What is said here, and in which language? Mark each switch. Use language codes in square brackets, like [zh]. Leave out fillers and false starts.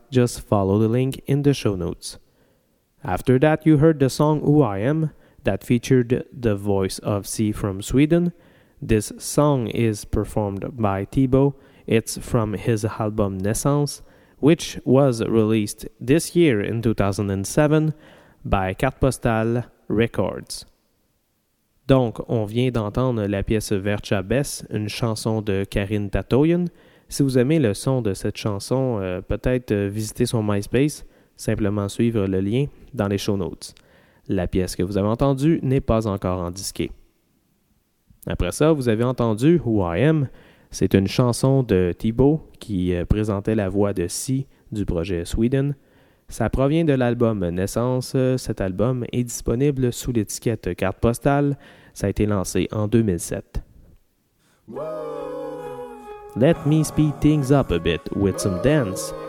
[en] Just follow the link in the show notes. After that, you heard the song Who I Am that featured the voice of C from Sweden. This song is performed by Thibaut. It's from his album Naissance, which was released this year in 2007 by Carte Postale Records. [fr] Donc, on vient d'entendre la pièce Vercha Bess, une chanson de Karin Tatoyan. Si vous aimez le son de cette chanson, peut-être visitez son MySpace, simplement suivre le lien dans les show notes. La pièce que vous avez entendue n'est pas encore en disque. Après ça, vous avez entendu Who I Am. C'est une chanson de Thibaut qui présentait la voix de C du projet Sweden. Ça provient de l'album Naissance. Cet album est disponible sous l'étiquette Carte Postale. Ça a été lancé en 2007. [en] Let me speed things up a bit with some dance.